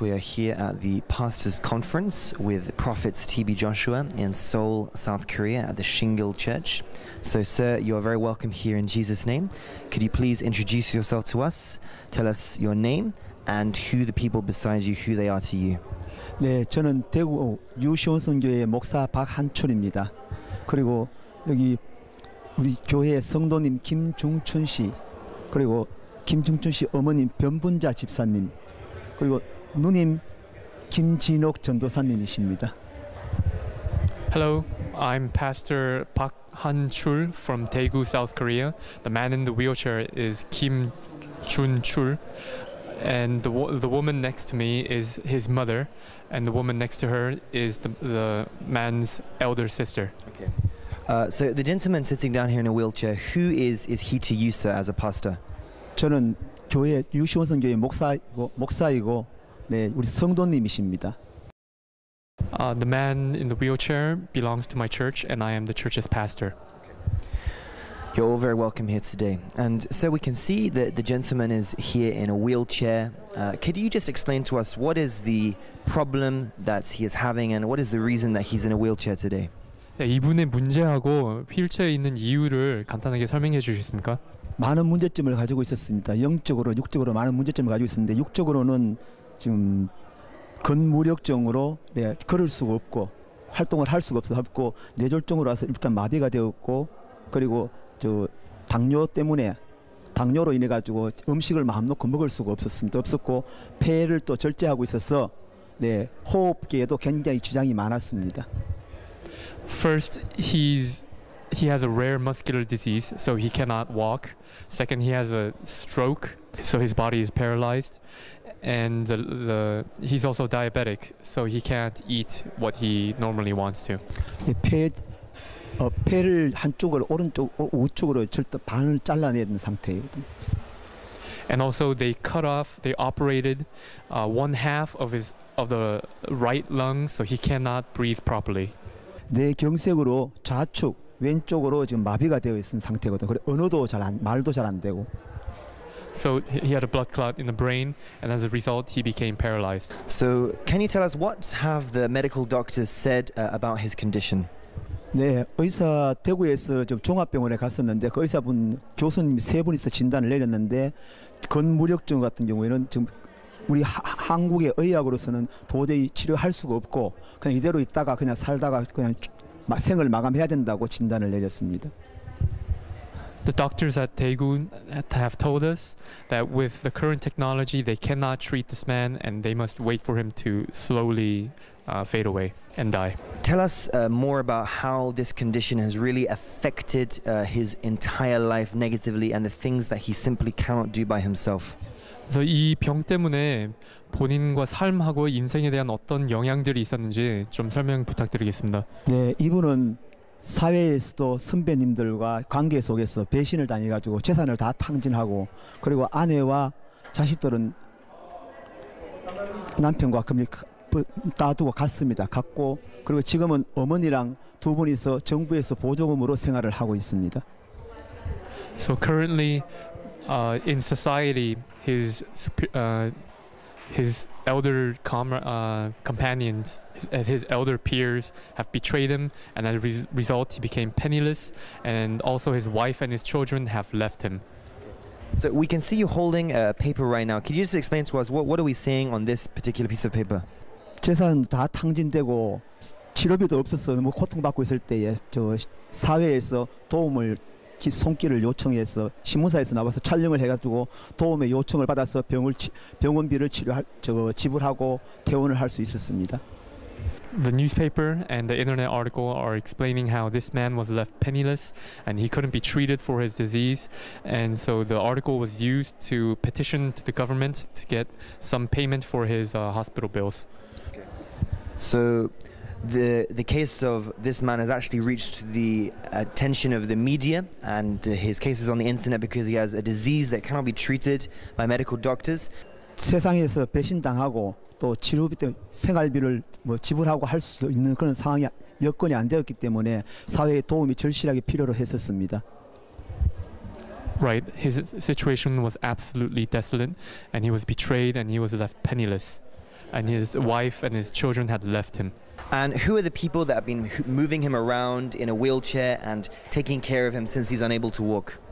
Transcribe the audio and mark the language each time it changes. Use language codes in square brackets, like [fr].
[en] We are here at the pastors' conference with Prophets T.B. Joshua in Seoul, South Korea at the Shingle Church. So, sir, you are very welcome here in Jesus' name. Could you please introduce yourself to us, tell us your name and who the people beside you, who they are to you? [ko] 네, 저는 대구 유시온 선교회의 목사 박한춘입니다. 그리고 여기 우리 교회의 성도님 김중춘 씨, 그리고 김중춘 씨 어머님 변분자 집사님, 그리고 누님 김진옥 전도사님이십니다. [en] Hello, I'm Pastor Park Han-chul from Daegu, South Korea. The man in the wheelchair is Kim Jun-chul. And the woman next to me is his mother. And the woman next to her is the man's elder sister. Okay. So the gentleman sitting down here in a wheelchair, who is he to you, sir, as a pastor? [ko] 저는 교회 유시원 선교회 목사이고 네, 우리 성도님이십니다. [en] The man in the wheelchair belongs to my church, and I am the church's pastor. You're all very welcome here today. And so we can see that the gentleman is here in a wheelchair. Could you just explain to us what is the problem that he is having, and what is the reason that he's in a wheelchair today? [ko] 네, 이분의 문제하고 휠체어에 있는 이유를 간단하게 설명해 주시겠습니까? 많은 문제점을 가지고 있었습니다. 영적으로, 육적으로 많은 문제점을 가지고 있었는데 육적으로는 지금 근무력증으로 네, 걸을 수가 없고 활동을 할 수가 없었고 뇌졸중으로 와서 일단 마비가 되었고 그리고 저 당뇨 때문에 당뇨로 인해 가지고 음식을 마음 놓고 먹을 수가 없었고 폐를 또 절제하고 있어서 네, 호흡기에도 굉장히 지장이 많았습니다. [en] First, he has a rare muscular disease, so he cannot walk. Second, he has a stroke, so his body is paralyzed. And he's also diabetic, so he can't eat what he normally wants to. [ko] 폐를 한쪽을 오른쪽 우측으로 절대 반을 잘라내는 상태예요. [en] And also, they operated one half of the right lung, so he cannot breathe properly. [ko] 내 경색으로 좌측 왼쪽으로 지금 마비가 되어 있는 상태거든. 그래 언어도 잘 안, 말도 잘 안 되고. [en] So he had a blood clot in the brain, and as a result, he became paralyzed. So can you tell us what have the medical doctors said about his condition? [ko] 네, 의사 대구에서 좀 종합병원에 갔었는데 그 의사분 교수님이 세 분이서 진단을 내렸는데 근무력증 같은 경우에는 지금 우리 한국의 의학으로서는 도저히 치료할 수가 없고 그냥 이대로 있다가 그냥 살다가 그냥 생을 마감해야 된다고 진단을 내렸습니다. [en] The doctors at Daegu have told us that with the current technology, they cannot treat this man and they must wait for him to slowly fade away and die. Tell us more about how this condition has really affected his entire life negatively and the things that he simply cannot do by himself. [ko] 이 병 때문에 본인과 삶하고 인생에 대한 어떤 영향들이 있었는지 좀 설명 부탁드리겠습니다. 네, 이분은 사회에서도 선배님들과 관계 속에서 배신을 당해가지고 재산을 다 탕진하고 그리고 아내와 자식들은 남편과 따두고 갔습니다. 갔고 그리고 지금은 어머니랑 두 분이서 정부에서 보조금으로 생활을 하고 있습니다. [en] So currently in society, his elder companions, his elder peers have betrayed him, and as a result, he became penniless, and also his wife and his children have left him. So we can see you holding a paper right now. Can you just explain to us what are we seeing on this particular piece of paper? [ko] 재산 다 탕진되고 치료비도 없어서 너무 고통받고 있을 때에 저 사회에서 도움을 손길을 요청해서 신문사에서 나와서 촬영을 해가지고 도움의 요청을 받아서 병을 병원비를 치료할 저 지불하고 퇴원을 할 수 있었습니다. [en] The newspaper and the internet article are explaining how this man was left penniless and he couldn't be treated for his disease, and so the article was used to petition to the government to get some payment for his hospital bills. So the case of this man has actually reached the attention of the media, and his case is on the internet because he has a disease that cannot be treated by medical doctors. [ko] 세상에서 배신당하고 또 치료비 때문에 생활비를 뭐 지불하고 할 수 있는 그런 상황이 여건이 안 되었기 때문에 사회의 도움이 절실하게 필요로 했었습니다. [en] Right, his situation was absolutely desolate and he was betrayed and he was left penniless. And his wife and his children had left him. And who are the people that have been moving him around in a wheelchair and taking care of him since he's unable to walk?